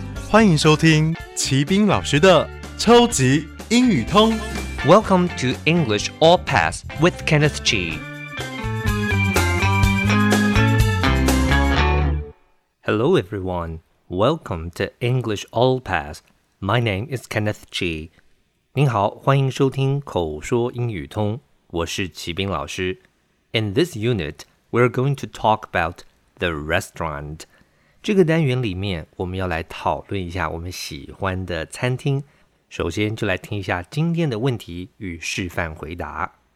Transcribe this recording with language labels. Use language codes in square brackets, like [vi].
[zh] 欢迎收听齐宾老师的超级英语通。 [en] Welcome to English All Pass with Kenneth G. Hello everyone, welcome to English All Pass. My name is Kenneth G. [zh] 您好，欢迎收听口说英语通，我是齐宾老师。 [en] In this unit, we're going to talk about the restaurant. [zh] 这个单元里面，我们要来讨论一下我们喜欢的餐厅。首先就来听一下今天的问题与示范回答。